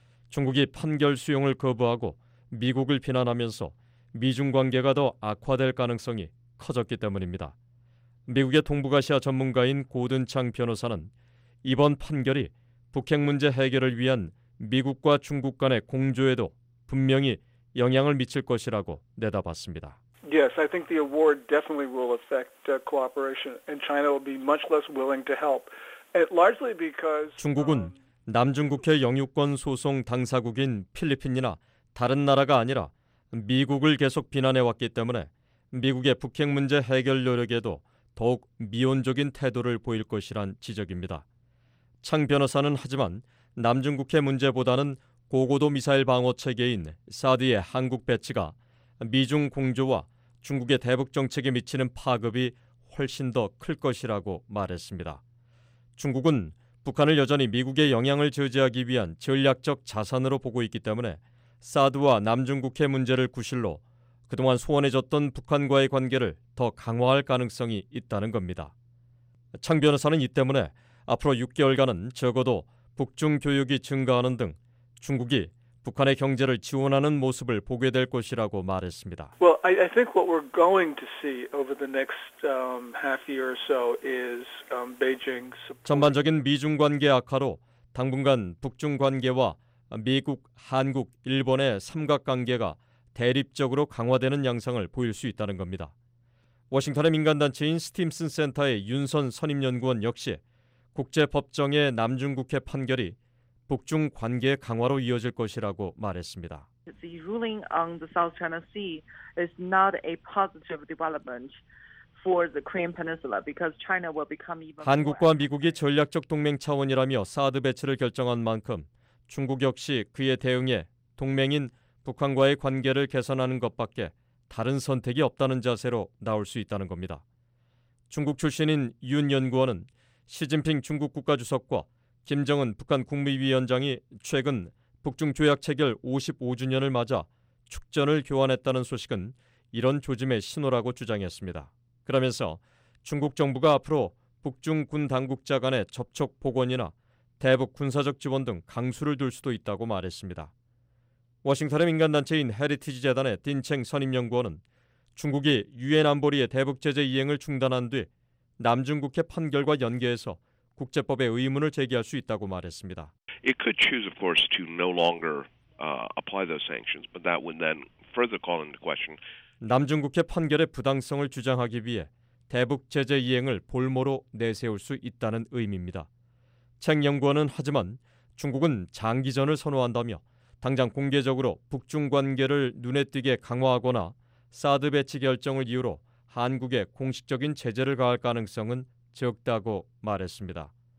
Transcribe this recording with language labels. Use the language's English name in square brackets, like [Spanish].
[Korean] 중국이 판결 수용을 거부하고 미국을 비난하면서 미중 관계가 더 악화될 가능성이 커졌기 때문입니다. 미국의 동북아시아 전문가인 고든 창 변호사는 이번 판결이 북핵 문제 해결을 위한 미국과 중국 간의 공조에도 분명히 영향을 미칠 것이라고 내다봤습니다. [English] Yes, I think the award definitely will affect cooperation and China will be much less willing to help. Largely because [Korean] 중국은 남중국해 영유권 소송 당사국인 필리핀이나 다른 나라가 아니라 미국을 계속 비난해 왔기 때문에 미국의 북핵 문제 해결 노력에도 더욱 미온적인 태도를 보일 것이란 지적입니다. 창 변호사는 하지만 남중국해 문제보다는 고고도 미사일 방어 체계인 사드의 한국 배치가 미중 공조와 중국의 대북 정책에 미치는 파급이 훨씬 더 클 것이라고 말했습니다. 중국은 북한을 여전히 미국의 영향을 저지하기 위한 전략적 자산으로 보고 있기 때문에 사드와 남중국해 문제를 구실로 그동안 소원해줬던 북한과의 관계를 더 강화할 가능성이 있다는 겁니다. 창 변호사는 이 때문에 앞으로 6개월간은 적어도 북중 교역이 증가하는 등 중국이 북한의 경제를 지원하는 모습을 보게 될 것이라고 말했습니다. [English] Well, I think what we're going to see over the next half year or so is Beijing support. [Korean] 전반적인 미중 관계 악화로 당분간 북중 관계와 미국, 한국, 일본의 삼각관계가 대립적으로 강화되는 양상을 보일 수 있다는 겁니다. 워싱턴의 민간 단체인 스팀슨 센터의 윤선 선임 연구원 역시 국제법정의 남중국해 판결이 북중 관계 강화로 이어질 것이라고 말했습니다. [English] The ruling on the South China Sea is not a positive development for the Korean Peninsula because China will become even. [Korean] 한국과 미국이 전략적 동맹 차원이라며 사드 배치를 결정한 만큼 중국 역시 그에 대응해 동맹인 북한과의 관계를 개선하는 것밖에 다른 선택이 없다는 자세로 나올 수 있다는 겁니다. 중국 출신인 윤 연구원은 시진핑 중국 국가주석과 김정은 북한 국무위원장이 최근 북중 조약 체결 55주년을 맞아 축전을 교환했다는 소식은 이런 조짐의 신호라고 주장했습니다. 그러면서 중국 정부가 앞으로 북중 군 당국자 간의 접촉 복원이나 대북 군사적 지원 등 강수를 둘 수도 있다고 말했습니다. 워싱턴의 민간단체인 헤리티지 재단의 딘챙 선임연구원은 중국이 유엔 안보리의 대북 제재 이행을 중단한 뒤 남중국해 판결과 연계해서 국제법의 의문을 제기할 수 있다고 말했습니다. [English] It could choose, of course, to no longer apply those sanctions, but that would then further call into question. [Korean] 남중국해 판결의 부당성을 주장하기 위해 대북 제재 이행을 볼모로 내세울 수 있다는 의미입니다. 챙 연구원은 하지만 중국은 장기전을 선호한다며 당장 공개적으로 북중 관계를 눈에 띄게 강화하거나 사드 배치 결정을 이유로 한국에 공식적인 제재를 가할 가능성은 적다고 말했습니다.